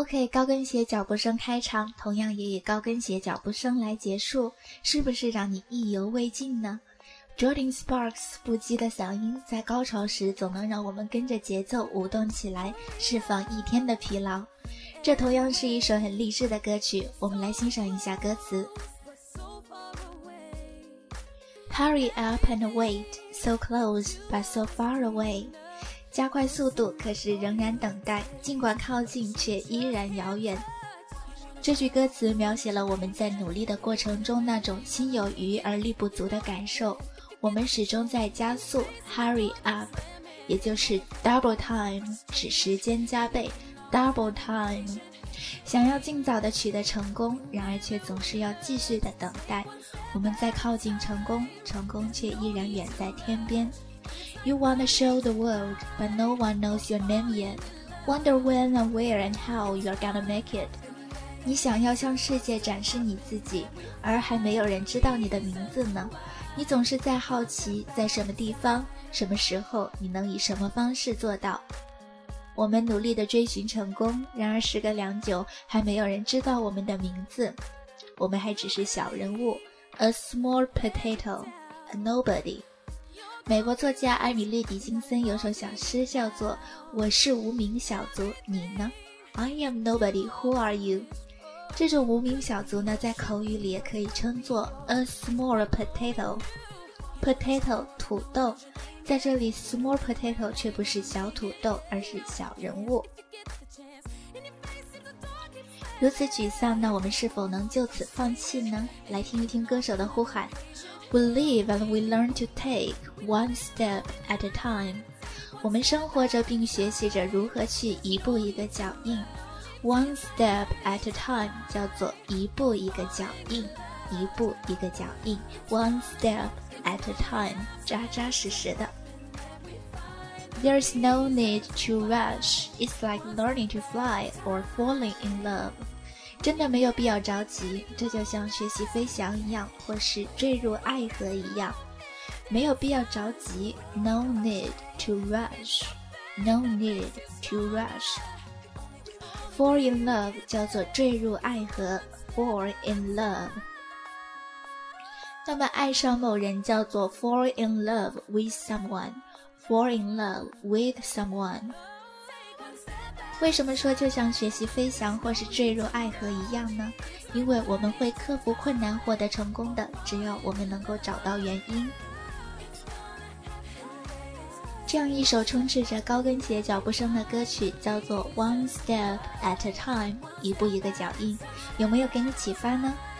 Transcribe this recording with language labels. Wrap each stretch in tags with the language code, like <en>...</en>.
<zh>高跟鞋脚步声开场，同样也以高跟鞋脚步声来结束，是不是让你意犹未尽呢？ Jordyn Sparks 不羁的嗓音在高潮时总能让我们跟着节奏舞动起来，释放一天的疲劳。这同样是一首很励志的歌曲，我们来欣赏一下歌词。</zh> <en>Hurry up and wait, so close but so far away，</en> <zh>加快速度，可是仍然等待，尽管靠近却依然遥远。这句歌词描写了我们在努力的过程中那种心有余而力不足的感受，我们始终在加速，</zh> <en>hurry up，</en> <zh>也就是 double time， 使时间加倍， double time， 想要尽早的取得成功，然而却总是要继续的等待，我们在靠近成功，成功却依然远在天边。</zh> <en>You want to show the world, but no one knows your name yet. Wonder when and where and how you're gonna make it.</en> <zh>你想要向世界展示你自己，而还没有人知道你的名字呢。你总是在好奇，在什么地方、什么时候，你能以什么方式做到。我们努力地追寻成功，然而时隔良久，还没有人知道我们的名字。我们还只是小人物 ，</zh> <en>a small potato, a nobody。</en> <zh>美国作家艾米丽·狄金森有首小诗叫做《我是无名小卒》，你呢 ？</zh> <en>I am nobody. Who are you？</en> <zh>这种无名小卒呢，在口语里也可以称作 a small potato。 potato 土豆，在这里 small potato 却不是小土豆，而是小人物。如此沮丧，那我们是否能就此放弃呢？来听一听歌手的呼喊。</zh> <en>We live and we learn to take one step at a time.</en> <zh>我们生活着并学习着如何去一步一个脚印。</zh> <en>One step at a time</en> <zh>叫做一步一个脚印，一步一个脚印。</zh> <en>One step at a time，</en> <zh>扎扎实实的。</zh> <en>There's no need to rush. It's like learning to fly or falling in love.</en> <zh>真的没有必要着急，这就像学习飞翔一样，或是坠入爱河一样。没有必要着急 ，</zh> <en>No need to rush, no need to rush.</en> <zh>Fall in love 叫做坠入爱河 ，fall in love。那么爱上某人叫做</zh> <en>fall in love with someone,</en> <zh>fall in love with someone。为什么说就像学习飞翔或是坠入爱河一样呢？因为我们会克服困难获得成功的，只要我们能够找到原因。这样一首充斥着高跟鞋脚步声的歌曲叫做 One Step at a Time， 一步一个脚印，有没有给你启发呢？</zh>